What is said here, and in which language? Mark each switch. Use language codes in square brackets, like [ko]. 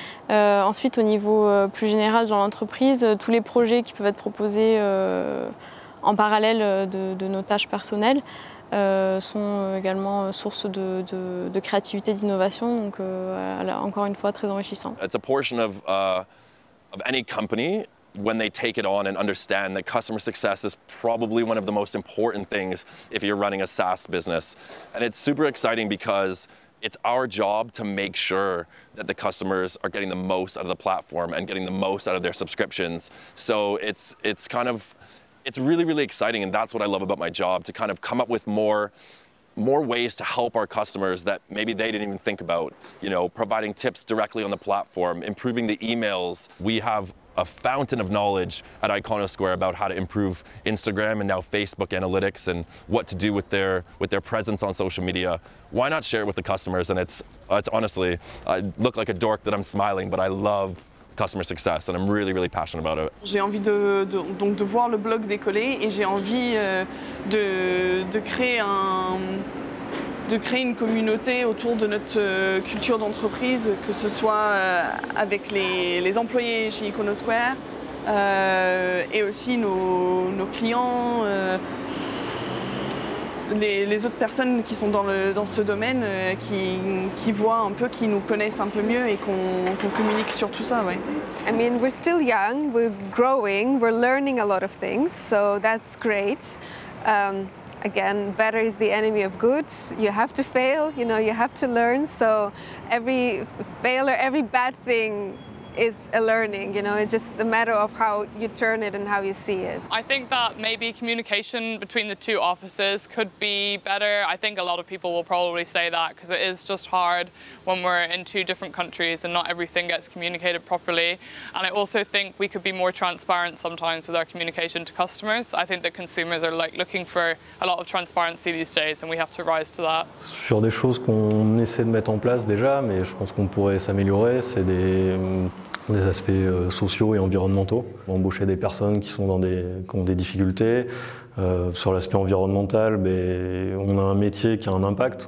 [fr] Ensuite, au niveau plus général dans l'entreprise, tous les projets qui peuvent être proposés en parallèle de nos tâches personnelles sont également source de créativité, d'innovation, donc voilà, encore une fois très enrichissant. [en] It's a portion of any company when they take it on and understand that customer success is probably one of the most important things if you're running a SaaS business. And it's super exciting because it's our job to make sure that the customers are getting the most out of the platform and getting the most out of their subscriptions. So it's kind of, it's really, really exciting. And that's what I love about my job, to kind of come up with more ways to help our customers that maybe they didn't even think about, you know, providing tips directly on the platform, improving the emails. We have a fountain of knowledge at IconoSquare about how to improve Instagram and now Facebook analytics and what to do with their presence on social media. Why not share it with the customers? And it's honestly, I look like a dork that I'm smiling, but I love customer success and I'm really, really passionate about it. [fr] J'ai envie de voir le blog décoller et j'ai envie de créer une communauté autour de notre culture d'entreprise, que ce soit avec les employés chez IconoSquare et aussi nos clients, les autres personnes qui sont dans ce domaine, qui voient un peu, qui nous connaissent un peu mieux et qu'on communique sur tout ça. Ouais. [en] I mean, we're still young, we're growing, we're learning a lot of things, so that's great. Again, better is the enemy of good. You have to fail, you know, you have to learn. So every failure, every bad thing is a learning, you know. It's just a matter of how you turn it and how you see it. I think that maybe communication between the two offices could be better. I think a lot of people will probably say that because it is just hard when we're in two different countries and not everything gets communicated properly. And I also think we could be more transparent sometimes with our communication to customers. I think that consumers are like looking for a lot of transparency these days and we have to rise to that. [fr] Sur des choses qu'on essaie de mettre en place déjà, mais je pense qu'on pourrait s'améliorer, c'est des aspects sociaux et environnementaux. Embaucher des personnes qui ont des difficultés. Sur l'aspect environnemental, ben, on a un métier qui a un impact.